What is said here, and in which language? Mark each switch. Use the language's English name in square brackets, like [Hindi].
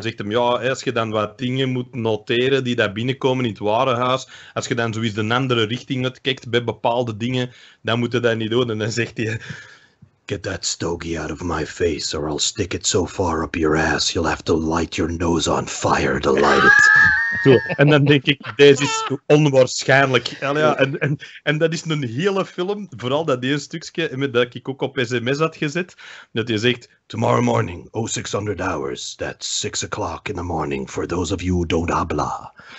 [Dutch] En dan zegt hem, ja, als je dan wat dingen moet noteren die daar binnenkomen in het warenhuis, als je dan zoiets de andere richting uitkijkt bij bepaalde dingen, dan moet je dat niet doen. En dan zegt hij, [English] get that stogie out of my face, or I'll stick it so far up your ass, you'll have to light your nose on fire to light it. [Dutch] Zo. En dan denk ik, deze is onwaarschijnlijk. Ja, en dat is een hele film, vooral dat eerste stukje dat ik ook op sms had gezet, dat je zegt, [English] tomorrow morning, 0600 hours, that's 6 o'clock in the morning, for those of you who don't habla.